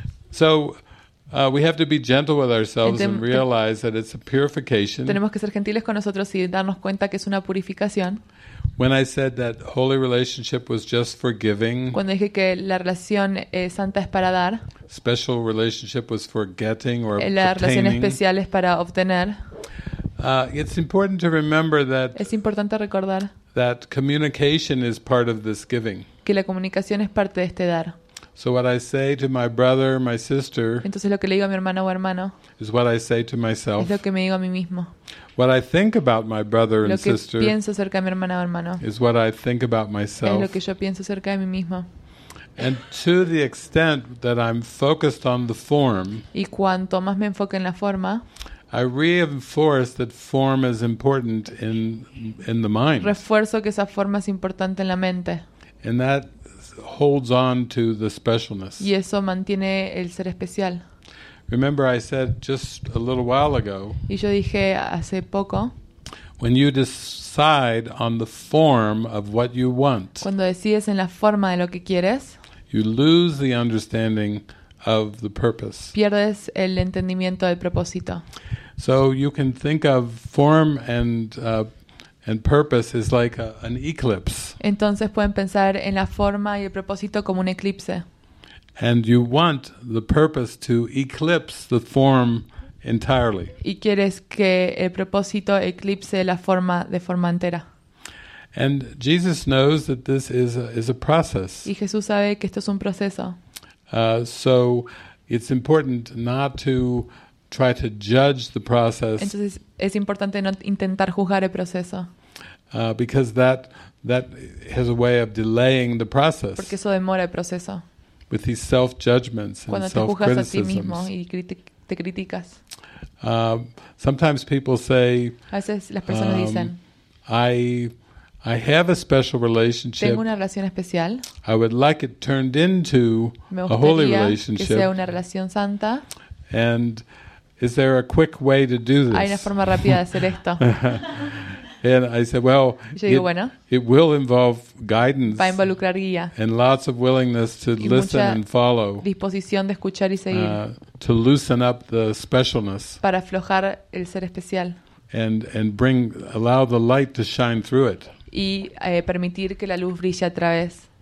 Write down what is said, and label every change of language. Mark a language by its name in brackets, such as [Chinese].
[English] So we have to be gentle with ourselves and realize that it's a purification. [Spanish] Tenemos que ser gentiles con nosotros y darnos cuenta que es una purificación. [English] When I said that holy relationship was just for giving. [Spanish] Cuando dije que la relación santa es para dar. [English] Special relationship was for getting or obtaining. [Spanish] La relación especial es para obtener. [English] It's important to remember that. [Spanish] Es importante recordar. [English] That communication is part of this giving. [Spanish] Que la comunicación es parte de este dar. [English] So what I say to my brother, my sister. [Spanish] Entonces lo que le digo a mi hermano o hermano. [English] Is what I say to myself. [Spanish] Es lo que me digo a mí mismo. [English] What I think about my brother and sister. [Spanish] Lo que pienso acerca de mi hermana o hermano. [English] Is what I think about myself. [Spanish] Es lo que yo pienso acerca de mí mismo. [English] And to the extent that I'm focused on the form. [Spanish] Y cuanto más me enfoque en la forma. [English] I reinforce that form is important in the mind. [Spanish] Refuerzo que esa forma es importante en la mente. [English] And that holds on to the specialness. [Spanish] Y eso mantiene el ser especial. [English] Remember I said just a little while ago. [Spanish] Y yo dije hace poco. [English] When you decide on the form of what you want. [Spanish] Cuando decides en la forma de lo que quieres. [English] You lose the understanding of the purpose. [Spanish] Pierdes el entendimiento del propósito. [English] So you can think of form and purpose is like an eclipse. [Spanish] Entonces pueden pensar en la forma y el propósito como un eclipse. [English] And you want the purpose to eclipse the form entirely. [Spanish] Y quieres que el propósito eclipse la forma de forma entera. [English] And Jesus knows that this is a process. [Spanish] Y Jesús sabe que esto es un proceso. [English] So it's important not to try to judge the process. [Spanish] Entonces es importante no intentar juzgar el proceso. [English] Because that has a way of delaying the process. [Spanish] Porque eso demora el proceso. [English] With these self-judgments [Spanish] cuando [English] and self-criticisms. [Spanish] Cuando te juzgas a ti mismo y te criticas. [English] Sometimes people say. [Spanish] A veces las personas dicen. [English] I have a special relationship. [Spanish] Tengo una relación especial. [English] I would like it turned into a holy relationship. [Spanish] Me gustaría que sea una relación santa. [English] And is there a quick way to do this? [Spanish] Hay una forma rápida de hacer esto. [English] And I said, well, [Spanish] yo digo, bueno, [English] it will involve guidance. [Spanish] Va a involucrar guía. [English] And lots of willingness to listen and follow. [Spanish] Disposición de escuchar y seguir. [English] To loosen up the specialness. [Spanish] Para aflojar el ser especial. [English] And bring allow the light to shine through it. [Spanish] Y permitir que la luz brille a través.